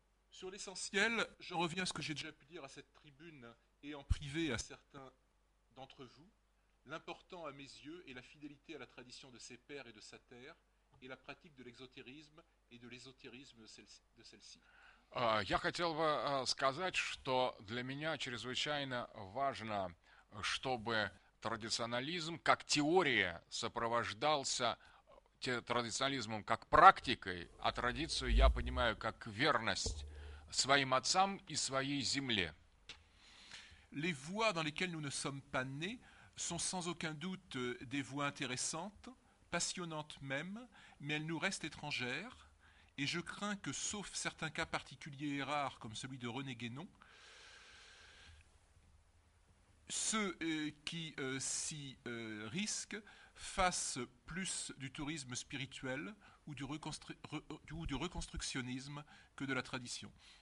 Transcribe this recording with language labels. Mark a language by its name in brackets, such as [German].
[French] Sur l'essentiel, je reviens à ce que j'ai déjà pu dire à cette tribune et en privé à certains d'entre vous. L'important à mes yeux est la fidélité à la tradition de ses pères et de sa terre et la pratique de l'exotérisme et de l'ésotérisme de celle-ci. [Russian] Я хотел бы сказать, что для меня чрезвычайно важно, чтобы традиционализм как теория сопровождался традиционализмом как практикой, а традицию я понимаю как верность своим отцам и своей земле. [French] Les voies dans lesquelles nous ne sommes pas nés sont sans aucun doute des voies intéressantes, passionnantes même, mais elles nous restent étrangères, et je crains que, sauf certains cas particuliers et rares, comme celui de René Guénon, ceux qui s'y risquent fassent plus du tourisme spirituel ou du, du reconstructionnisme que de la tradition.